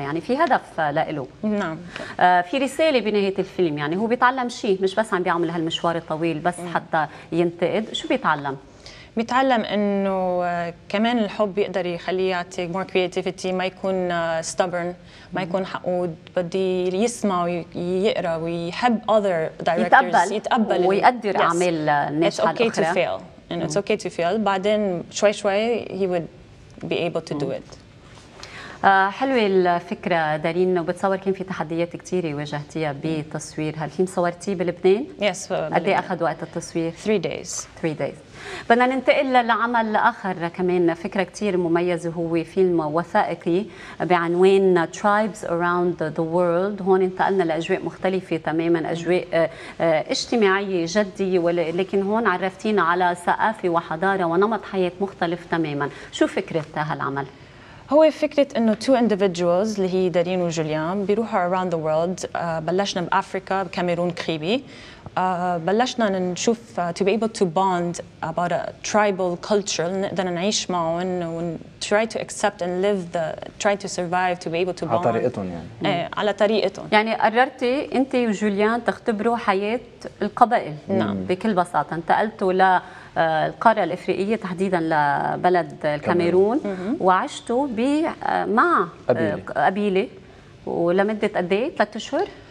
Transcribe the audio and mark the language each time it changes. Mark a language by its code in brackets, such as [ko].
[ar] يعني في هدف لإله. في رسالة بنهاية الفيلم، يعني هو بيتعلم شيء، مش بس عم بيعمل هالمشوار الطويل بس حتى ينتقد. شو بيتعلم؟ بيتعلم إنه كمان الحب يقدر يخليه يعطي [en] more creativity، [ar] ما يكون stubborn، ما يكون حقود، بدي يسمع ويقرأ ويحب [en] other directors، [ar] يتقبل ويقدر أعمال الناس. [en] it's okay to fail and it's okay to fail، [ar] بعدين شوي شوي [en] he would be able to do it. [ar] حلوة الفكرة دارين، وبتصور كان في تحديات كتيرة واجهتيها بتصوير هالفيلم. صورتيه بلبنان؟ [en] yes. [ar] قدي أخذ وقت التصوير؟ [en] 3 days. 3 days. [ar] بدنا ننتقل لعمل آخر كمان فكرة كتير مميزة، هو فيلم وثائقي بعنوان Tribes Around the World. هون انتقلنا لأجواء مختلفة تماما، أجواء اجتماعية جدية، ولكن هون عرفتينا على ثقافة وحضارة ونمط حياة مختلف تماما. شو فكرة هالعمل؟ هو فكرة إنه [en] two individuals [ar] اللي هي دارين وجوليان بيروحوا [en] around the world. [ar] بلشنا بأفريقيا بكاميرون كريبي، بلشنا نشوف [en] to be able to bond about a tribal culture [ar] نقدر نعيش معه [en] try to accept and live the try to survive to be able to bond [ar] على طريقتهم يعني على طريقتهم يعني قررتي انت وجوليان تختبروا حياة القبائل نعم بكل بساطة انتقلتوا للقارة الإفريقية تحديدا لبلد الكاميرون وعشتوا مع قبيلة ولمدة قديه 3 اشهر